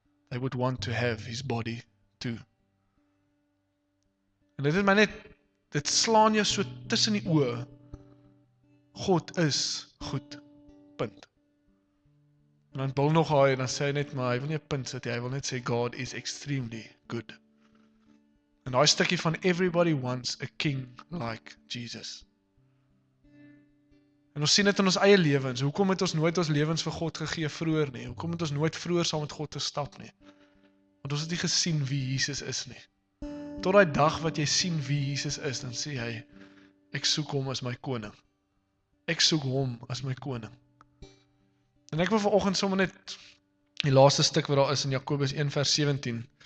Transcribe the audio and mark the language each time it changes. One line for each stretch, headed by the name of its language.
English: they would want to have his body too.
Afrikaans: En dit is my net, dit slaan jou so tussen die oë. God is goed. Punt. En dan bil nog haai, dan sê hy net, maar hy wil nie 'n punt sit, hy wil net sê,
English: God is extremely good.
Afrikaans: En daai stukkie van,
English: everybody wants a king like Jesus.
Afrikaans: En ons sien dit in ons eie lewens, hoekom het ons nooit ons lewens vir God gegee vroeër nie? Hoekom het ons nooit vroeër saam met God gestap nie? Want ons het nie gesien wie Jesus is nie. Tot daai dag wat jy sien wie Jesus is, dan sê hy, ek soek hom as my koning. Ek soek hom as my koning. En ek wil vanoggend sommer net die laaste stuk wat daar is in Jakobus 1 vers 17.